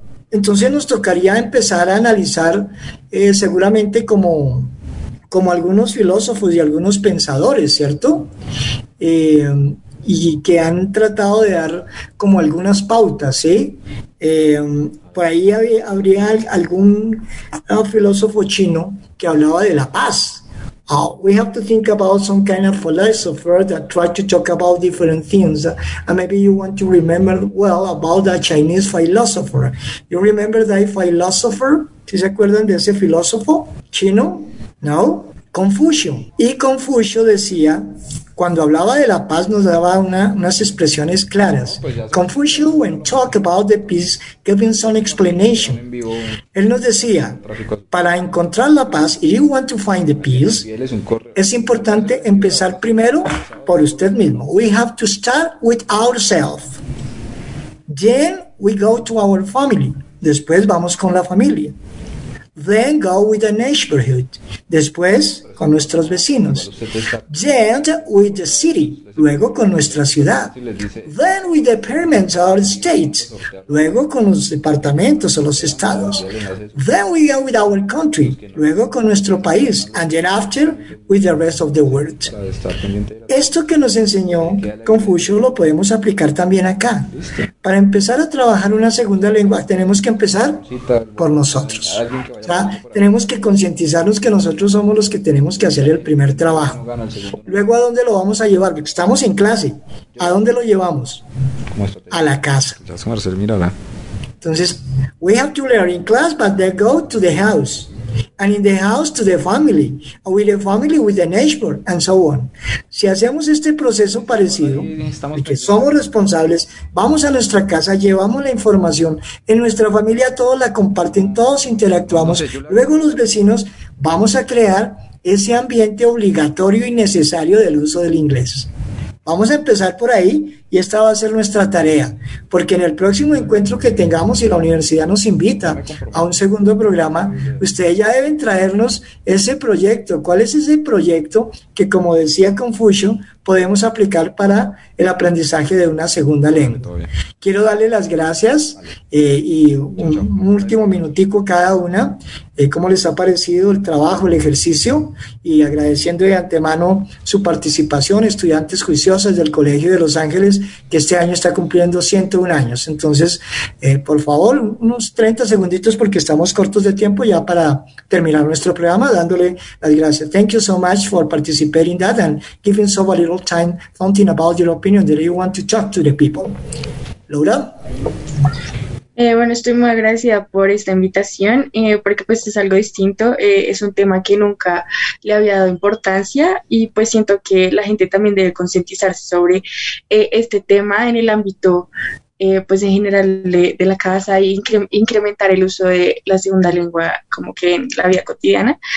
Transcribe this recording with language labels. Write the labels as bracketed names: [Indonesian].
[Spanish] Entonces nos tocaría empezar a analizar seguramente como algunos filósofos y algunos pensadores, ¿cierto? Y que han tratado de dar como algunas pautas, ¿sí? Por ahí habría algún filósofo chino que hablaba de la paz. [English] Oh, we have to think about some kind of philosopher that tried to talk about different things. And maybe you want to remember well about that Chinese philosopher. You remember that philosopher? [Spanish] ¿Sí se acuerdan de ese filósofo chino? No. Confucio. Y Confucio decía, cuando hablaba de la paz, nos daba unas expresiones claras. [English] Confucio, when talk about the peace, giving some explanation. [Spanish] Él nos decía, para encontrar la paz, [English] if you want to find the peace, [Spanish] es importante empezar primero por usted mismo. [English] We have to start with ourselves. [Spanish] Then we go to our family. Después vamos con la familia. [English] Then go with the neighborhood. [Spanish] Después con nuestros vecinos. [English] Then with the city. [Spanish] Luego con nuestra ciudad. [English] Then with the departments or states. [Spanish] Luego con los departamentos o los estados. [English] Then we go with our country. [Spanish] Luego con nuestro país. [English] And then after with the rest of the world. [Spanish] Esto que nos enseñó Confucio lo podemos aplicar también acá. Para empezar a trabajar una segunda lengua tenemos que empezar por nosotros. Tenemos que concientizarnos que nosotros somos los que tenemos que hacer el primer trabajo. Luego, ¿a dónde lo vamos a llevar? Estamos en clase. ¿A dónde lo llevamos? A la casa. [English] Entonces, we have to learn in class, but they go to the house. And in the house to the family, with the family, with the neighbor, and so on. [Spanish] Si hacemos este proceso parecido, de que somos responsables, vamos a nuestra casa, llevamos la información, en nuestra familia todos la comparten, todos interactuamos, luego los vecinos, vamos a crear ese ambiente obligatorio y necesario del uso del inglés. Vamos a empezar por ahí y esta va a ser nuestra tarea, porque en el próximo encuentro que tengamos y la universidad nos invita a un segundo programa, ustedes ya deben traernos ese proyecto. ¿Cuál es ese proyecto que, como decía Confucio, podemos aplicar para el aprendizaje de una segunda lengua? Quiero darle las gracias y un último minutico cada una, cómo les ha parecido el trabajo, el ejercicio, y agradeciendo de antemano su participación, estudiantes juiciosas del Colegio de Los Ángeles, que este año está cumpliendo 101 años. Entonces, por favor, unos 30 segunditos porque estamos cortos de tiempo ya para terminar nuestro programa, dándole las gracias. [English] Thank you so much for participating that and giving so a little time thinking about your opinion that you want to talk to the people. Laura. [Spanish] Bueno, estoy muy agradecida por esta invitación, porque pues es algo distinto, es un tema que nunca le había dado importancia y pues siento que la gente también debe concientizarse sobre este tema en el ámbito pues en general de la casa e incrementar el uso de la segunda lengua como que en la vida cotidiana.